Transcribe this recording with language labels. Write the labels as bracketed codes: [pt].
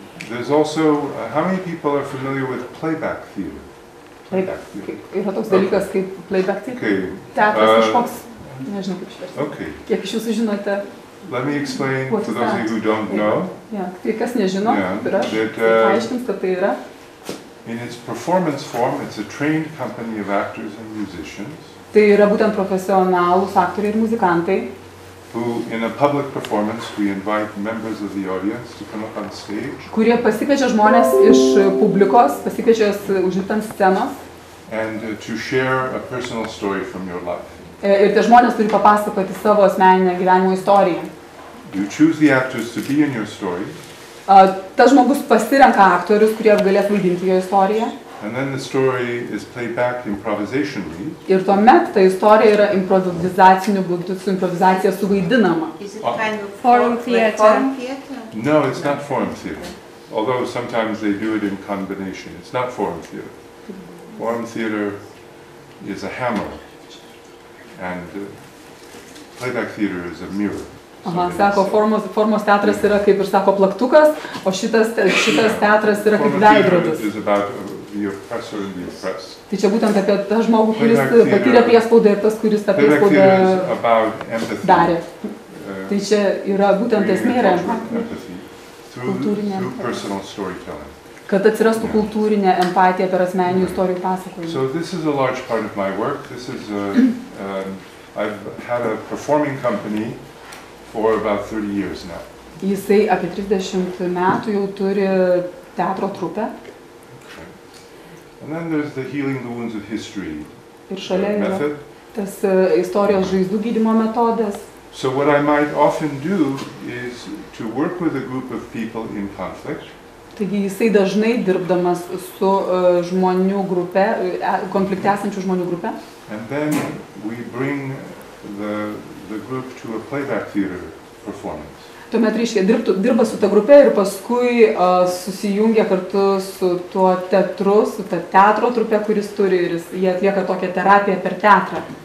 [en] There's also, how many people are familiar with playback theater? [lt] Yra toks dalykas kaip playback theater. [en] Okay. [lt] Teatras kažkoks, nežinau kaip išversti. [en] Okay. [lt] Kiek iš jūsų žinote? [en] Let me explain to those of you who don't know. Yeah. [lt] Tai kas nežino, paaiškins, kad tai yra. [en] In its performance form, it's a trained company of actors and musicians. [lt] Tai yra būtent profesionalūs aktoriai ir muzikantai. [en] Who in a public performance we invite members of the audience to come up on stage. [lt] Kurie pasikviečia žmonės iš publikos, pasikviečia juos užlipti ant scenos. [en] And to share a personal story from your life. [lt] Ir tie žmonės turi papasakoti savo asmeninę gyvenimo istoriją. [en] You choose the actors to be in your story. [lt] Tas žmogus pasirenka aktorius, kurie galės vaidinti jo istoriją. [en] And then the story is played back improvisationally. [lt] Ir tuomet ta istorija yra improvizaciniu būdu, su improvizacija suvaidinama. [en] Is it kind of forum theater? No, it's not forum theater. Although sometimes they do it in combination. It's not forum theater. Forum theater is a hammer. And playback theater is a mirror. [lt] Aha, sako, formos teatras yra kaip ir sako plaktukas, o šitas teatras yra kaip veidrodis. [en] The oppressor and the oppressed. [lt] Tai čia būtent apie tą žmogų, kuris patyrė priespaudą ir tas, kuris tą priespaudą darė. Tai čia yra būtent esmė yra kultūrinė empatija. Kad atsirastų kultūrinė empatija per asmeninių istorijų pasakojimą. [en] So this is a large part of my work. This is I've had a performing company for about 30 years now. [lt] Jisai apie 30 metų jau turi teatro trupę. [en] And then there's the healing the wounds of history. [lt] Ir šalia yra tas istorijos žaizdų gydymo metodas. [en] So what I might often do is to work with a group of people in conflict. [lt] Taigi jisai dažnai dirbdamas su žmonių grupe, konflikte esančių žmonių grupe. [en] And then we bring the group to a playback theater performance. [lt] Tuomet reiškia, dirba su ta grupė ir paskui susijungia kartu su tuo teatru, su ta teatro trupė, kuris turi ir jie atlieka tokią terapiją per teatrą.